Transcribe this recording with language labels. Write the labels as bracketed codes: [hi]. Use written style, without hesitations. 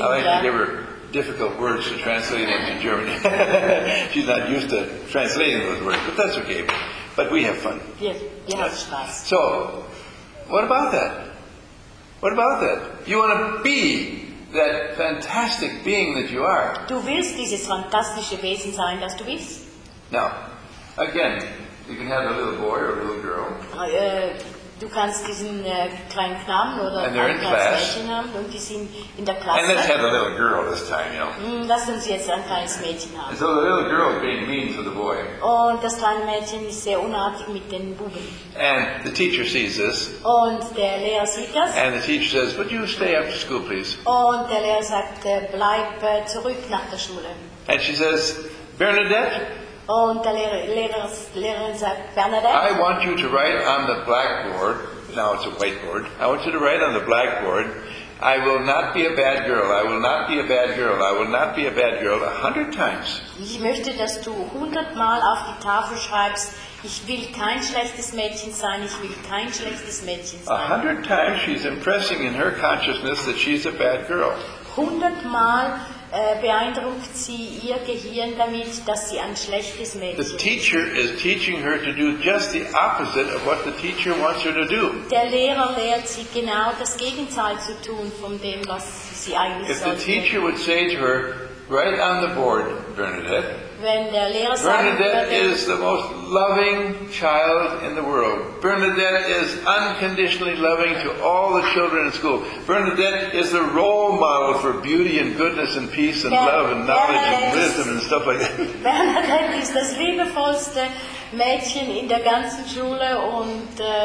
[en] I like to give her difficult words to translate into German. She's not used to translating those words, but that's okay. But we have fun. [de] Wir haben Spaß. [en] So, what about that? What about that? You want to be that fantastic being that you are. [de] Du willst dieses fantastische Wesen sein, das du bist. [en] Now, again, you can have a little boy or a little girl. [de] Du kannst diesen kleinen Knaben oder ein kleines Mädchen haben und die sind in der Klasse. [en] And let's have a little girl this time, you know. [de] Lass uns jetzt ein kleines Mädchen haben. [en] So the little girl is being mean to the boy. [de] Und das kleine Mädchen ist sehr unartig mit den Buben. [en] And the teacher sees this. [de] Und der Lehrer sieht das. [en] And the teacher says, "Would you stay after school, please?" [de] Und der Lehrer sagt, bleib zurück nach der Schule. [en] And she says, "Bernadette." [de] Und der Lehrer sagt, Bernadette, [en] I want you to write on the blackboard, now it's a whiteboard, I want you to write on the blackboard, I will not be a bad girl, I will not be a bad girl, I will not be a bad girl, 100 times. [de] Ich möchte, dass du 100 Mal auf die Tafel schreibst, ich will kein schlechtes Mädchen sein, ich will kein schlechtes Mädchen sein. [en] 100 times she's impressing in her consciousness that she's a bad girl. [de] 100 Mal beeindruckt sie ihr Gehirn damit, dass sie ein schlechtes Mädchen ist. [en] The teacher is teaching her to do just the opposite of what the teacher wants her to do. [de] Der Lehrer lehrt sie genau das Gegenteil zu tun von dem, was sie eigentlich sollte. [en] If the teacher would say to her, right on the board, Bernadette, [de] wenn der Lehrer sagt, [en] Bernadette is the most loving child in the world. Bernadette is unconditionally loving to all the children in school. Bernadette is the role model for beauty and goodness and peace and love and knowledge and wisdom and stuff like that. [de] Bernadette ist das liebevollste Mädchen in der ganzen Schule und